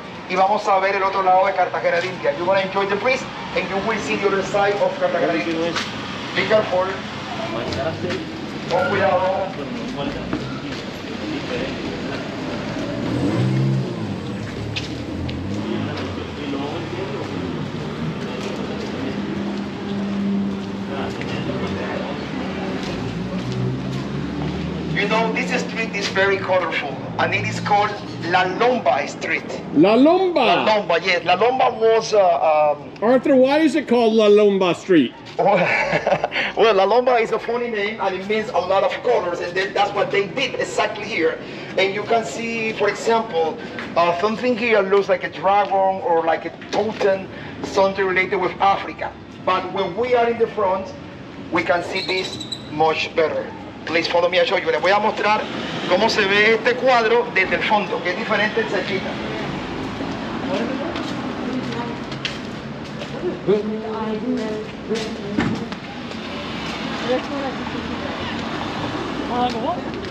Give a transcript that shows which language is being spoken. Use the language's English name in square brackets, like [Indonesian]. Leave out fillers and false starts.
[Spanish] Y vamos a ver el otro lado de Cartagena Limpia. [English] You want to enjoy the breeze, and you will see the other side of Cartagena Limpia. Be careful. [Spanish] Con cuidado. [English] You know, this street is very colorful, and it is called La Lomba Street. La Lomba. La Lomba, yes. La Lomba was... Arthur, why is it called La Lomba Street? Well, La Lomba is a funny name, and it means a lot of colors, and that's what they did exactly here. And you can see, for example, something here looks like a dragon or like a totem, something related with Africa. But when we are in the front, we can see this much better. Please follow me, I'll show you. [Spanish] Les voy a mostrar cómo se ve este cuadro desde el fondo, que es diferente en Sachita.